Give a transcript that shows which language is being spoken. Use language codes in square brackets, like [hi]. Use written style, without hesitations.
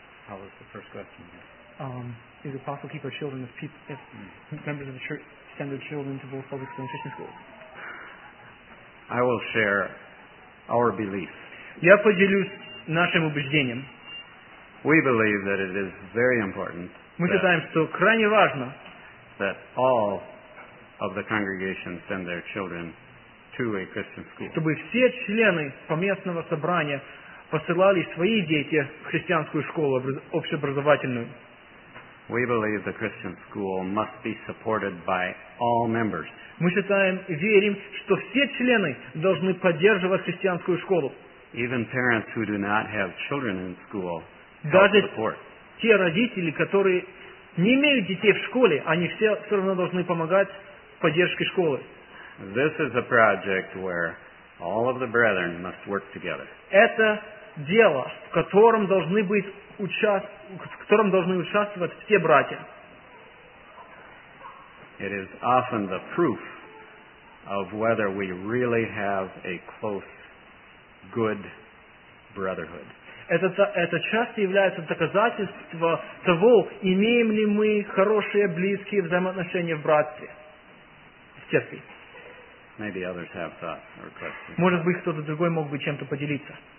[en] How was the first question? Is it possible to keep our children if members of the church send their children to both public school and Christian school? I will share our belief. [ru] Я поделюсь нашим убеждением. [en] We believe that it is very important. [ru] Мы считаем, что крайне важно. [en] That all of the congregation send their children to a Christian school. [ru] Чтобы все члены поместного собрания посылали свои дети в христианскую школу общеобразовательную. [en] We believe the Christian school must be supported by all members. [ru] Мы считаем, верим, что все члены должны поддерживать христианскую школу. [en] Even parents who do not have children in school [ru] даже [en] support. [ru] Те родители, которые не имеют детей в школе, они все равно должны помогать в поддержке школы. [en] This is a project where all of the brethren must work together. [ru] Это дело, в котором должны быть в котором должны участвовать все братья. [en] It is often the proof of whether we really have a close, good brotherhood. [ru] Это часто является доказательством того, имеем ли мы хорошие, близкие взаимоотношения в братстве, в церкви. [en] Maybe others have thoughts or questions. [ru] Может быть, кто-то другой мог бы чем-то поделиться.